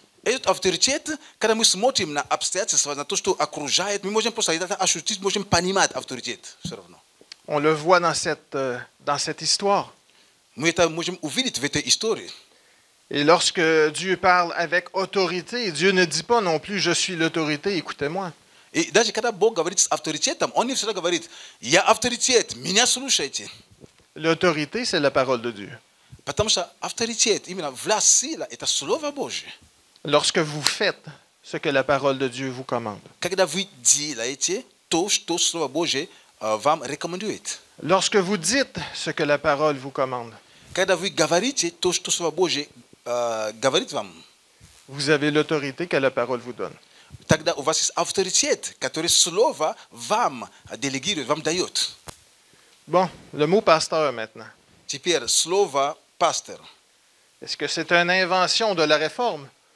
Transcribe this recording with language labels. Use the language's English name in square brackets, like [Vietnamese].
[French] Et cette autorité, quand nous sommes dans l'abstraction, dans tout ce qui est accroché, nous pouvons pas savoir à quel titre nous sommes panimés d'autorité. On le voit dans cette histoire. Nous pouvons ouvrir cette histoire. Et lorsque Dieu parle avec autorité, Dieu ne dit pas non plus « Je suis l'autorité, écoutez-moi ». [Russian] Et даже когда Бог говорит с авторитетом, Он не всегда говорит «Я авторитет, меня слушайте». [French] L'autorité, c'est la parole de Dieu. [Russian] Потому что авторитет, именно власть, это слово Божье. [French] Lorsque vous faites ce que la parole de Dieu vous commande. [Russian] Когда вы делаете то, что слово Божье вам рекомендует. [French] Lorsque vous dites ce que la parole vous commande. [Russian] Когда вы говорите то, что слово Божье говорит вам. [French] Vous avez l'autorité que la parole vous donne. [Russian] Тогда у вас есть авторитет, который слово вам делегирует, вам дает. [French] Bon, le mot pasteur maintenant. [Russian] Теперь слово пастор. [French] Est-ce que c'est une invention de la réforme?